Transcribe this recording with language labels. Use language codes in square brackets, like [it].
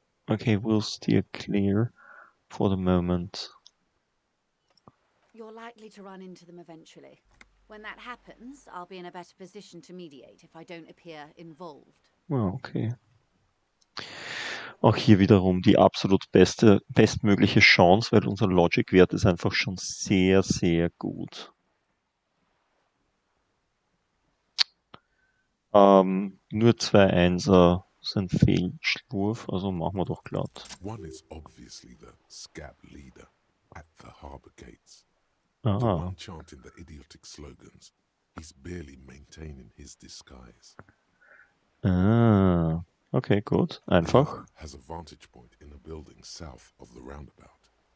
[en] Okay, we'll steer clear for the moment. You're likely to run into them eventually. When that happens, I'll be in a better position to mediate if I don't appear involved. Well, okay. [de] Auch hier wiederum die absolut beste, bestmögliche Chance, weil unser Logic-Wert ist einfach schon sehr, sehr gut. Nur zwei Einser sind Fehlschwurf, also machen wir doch glatt. [en] One is obviously the scab leader at the harbor gates. Aha. The one chanting the idiotic slogans. He's barely maintaining his disguise. [de] Ah, okay, gut, einfach. Noah [en] has a vantage point in a building south of the roundabout.